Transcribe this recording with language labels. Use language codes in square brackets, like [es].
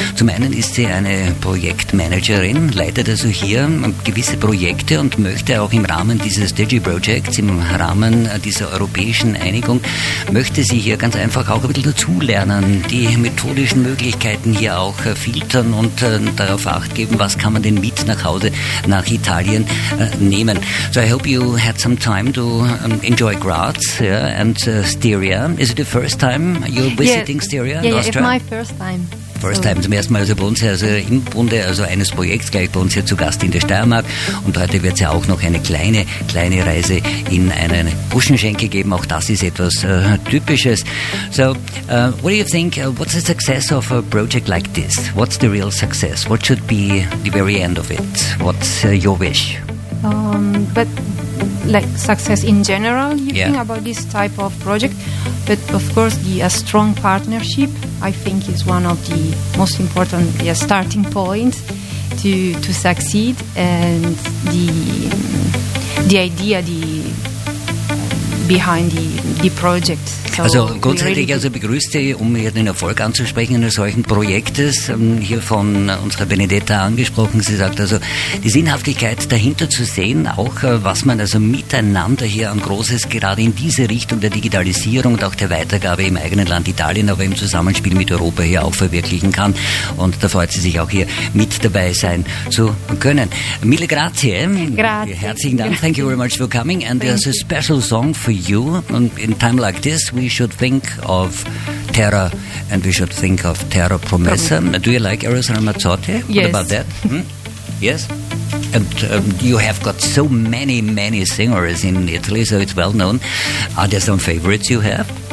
[de] Zum einen ist sie eine Projektmanagerin, leitet also hier gewisse Projekte und möchte auch im Rahmen dieses Digi-Projekts, im Rahmen dieser europäischen Einigung, möchte sie hier ganz einfach auch ein bisschen dazulernen, die methodischen Möglichkeiten hier auch filtern und darauf Acht geben, was kann man denn mit nach Hause, nach Italien nehmen. [en] So I hope you had some time to enjoy Graz, yeah, and Styria. Is it the first time you're visiting Styria? Yeah, it's my first time. First time, [de] zum ersten Mal also bei uns hier, also im Bunde, also eines Projekts, gleich bei uns hier zu Gast in der Steiermark. Und heute wird es ja auch noch eine kleine Reise in eine Buschenschenke geben. Auch das ist etwas Typisches. [en] So, what do you think, what's the success of a project like this? What's the real success? What should be the very end of it? What's your wish? But like success in general, you think about this type of project, but of course a strong partnership, I think, is one of the most important starting points to succeed, and the idea behind the project. [de] So also grundsätzlich also begrüßt sie, um hier den Erfolg anzusprechen eines solchen Projektes, hier von unserer Benedetta angesprochen, sie sagt also, die Sinnhaftigkeit dahinter zu sehen, auch was man also miteinander hier an Großes, gerade in diese Richtung der Digitalisierung und auch der Weitergabe im eigenen Land Italien, aber im Zusammenspiel mit Europa hier auch verwirklichen kann. Und da freut sie sich auch hier mit dabei sein zu können. [it] Mille grazie. Grazie. [de] Herzlichen Dank. [en] Thank you very much for coming. And there's a special song for you in time like this. We should think of Terra and we should think of Terra Promessa. Promise. Do you like Eros Ramazzotti? Yes. What about that? Yes? And you have got so many singers in Italy, so it's well known. Are there some favorites you have?